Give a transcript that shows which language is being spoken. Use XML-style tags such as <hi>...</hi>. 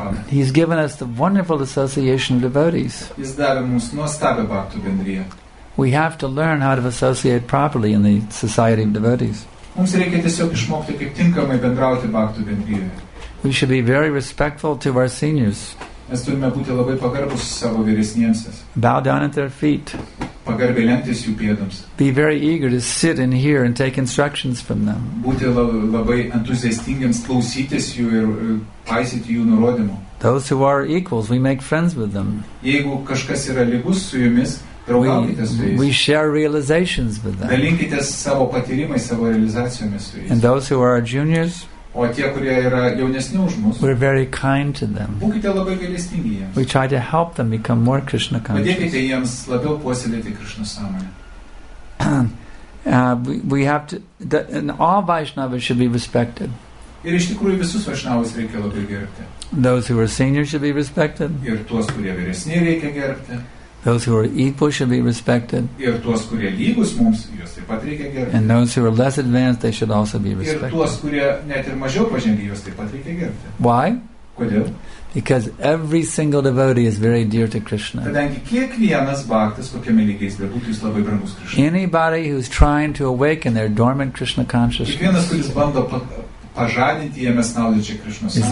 <en>He's given us the wonderful association of devotees.</en> <lt>Jis davė mums nuostabią bhakto bendriją.</lt> <en>We have to learn how to associate properly in the society of devotees.</en> <lt>Mums reikia tiesiog išmokti, kaip tinkamai bendrauti bhakto bendrijoje.</lt> <en>We should be very respectful to our seniors.</en> <lt>Mes turime būti labai pagarbus savo vyresniems.</lt> <en>Bow down at their feet.</en> <lt>pagarbiai lenktis jų pėdams.</lt> <en>Be very eager to sit and hear and take instructions from them.</en> <lt>Būti labai entuziastingiams klausytis jų ir paisyti jų nurodymų.</lt> <en>Those who are equals, we make friends with them.</en> <lt>Jeigu kažkas yra lygus su jumis,</lt> <en>We share realizations with them.</en> <lt>Dalinkitės savo patyrimais, savo realizacijomis su jais.</lt> <en>And those who are our juniors,</en> <lt>o tie, kurie yra jaunesni už mus,</lt> <en>we're very kind to them.</en> <lt>Būkite labai gailestingi jiems.</lt> <en>We try to help them become more Krishna conscious.</en> <lt>Padėkite jiems labiau puoselėti Krishna sąmonę.</lt> <en>We have to, and all Vaishnavas should be respected.</en> <lt>Ir iš tikrųjų visus Vaishnavas reikia labai gerbti.</lt> <en>Those who are senior should be respected.</en> <lt>Ir tuos, kurie vyresni, reikia gerbti.</lt> <en>Those who are equal should be respected.</en> <lt>Ir tuos, kurie lygus mums, juos taip pat reikia gerbti.</lt> <en>And those who are less advanced, they should also be respected.</en> <lt>Ir tuos, kurie net ir mažiau pažengę, juos taip pat reikia gerbti.</lt> <en>Why?</en> <lt>Kodėl?</lt> <en>Because every single devotee is very dear to Krishna.</en> <lt>Kadangi kiekvienas bhaktas, kokiame lygyje jis bebūtų, jis labai brangus Krishna.</lt> <en>Anybody who's trying to awaken their dormant Krishna consciousness.</en> <lt>Kiekvienas, kuris bando pažadinti jame snaudžiančią Krishna sąmonę.</lt>